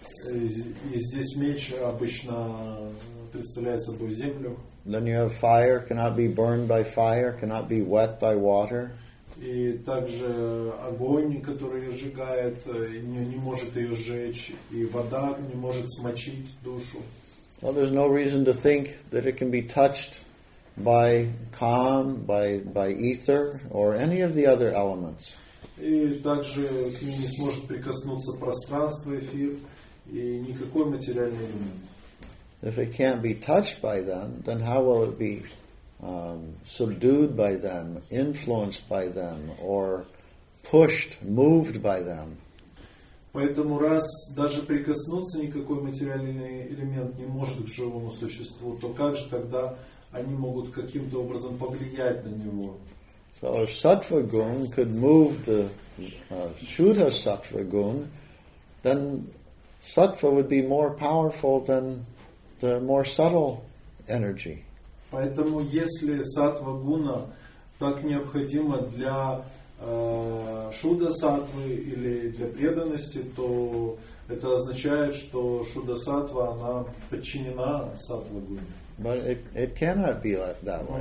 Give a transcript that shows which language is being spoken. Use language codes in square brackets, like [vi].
[ru] И здесь меч обычно представляет собой землю. [en] Then you have fire, cannot be burned by fire, cannot be wet by water. [ru] И также огонь, который ее сжигает, не может ее сжечь, и вода не может смочить душу. [en] Well, there's no reason to think that it can be touched by calm, by ether, or any of the other elements. [ru] И также к ней не сможет прикоснуться пространство, эфир, и никакой материальный элемент. [en] If it can't be touched by them, then how will it be subdued by them, influenced by them, or pushed, moved by them? [ru] Поэтому раз даже прикоснуться никакой материальный элемент не может к живому существу, то как же тогда они могут каким-то образом повлиять на него? [en] So if sattva gun could move the shuddha sattva gun, then sattva would be more powerful than the more subtle energy. [ru] Поэтому если сатва гуна так необходима для шуда-сатвы или для преданности, то это означает, что шуда-сатва, она подчинена сатва гуне. [en] But it cannot be like that way.